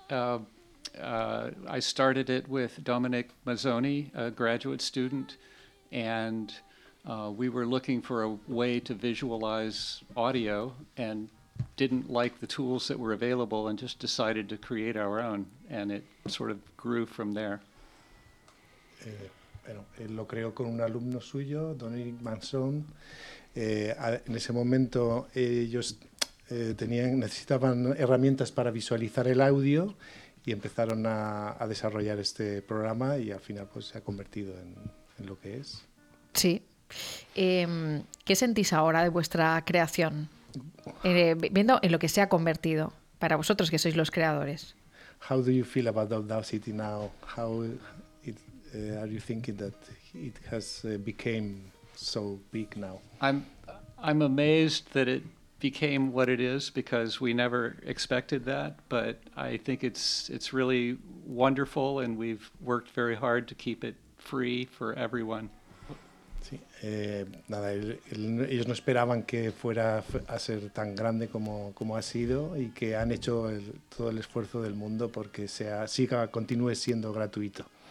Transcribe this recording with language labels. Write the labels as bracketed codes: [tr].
[en] I started it with Dominic Mazzoni, a graduate student, and we were looking for a way to visualize audio and didn't like the tools that were available and just decided to create our own, and it sort of grew from there. [es] Bueno, él lo creó con un alumno suyo, Dominic Mazzoni. En ese momento ellos necesitaban herramientas para visualizar el audio y empezaron a desarrollar este programa y al final pues se ha convertido en lo que es. Sí. ¿Qué sentís ahora de vuestra creación? Viendo en lo que se ha convertido para vosotros que sois los creadores. [en] How do you feel about Audacity now? How are you thinking that it has became so big now? I'm amazed that it became what it is because we never expected that, but I think it's really wonderful and we've worked very hard to keep it free for everyone. [es] Sí, nada, ellos no esperaban que fuera a ser tan grande como ha sido y que han hecho todo el esfuerzo del mundo porque continúe siendo gratuito.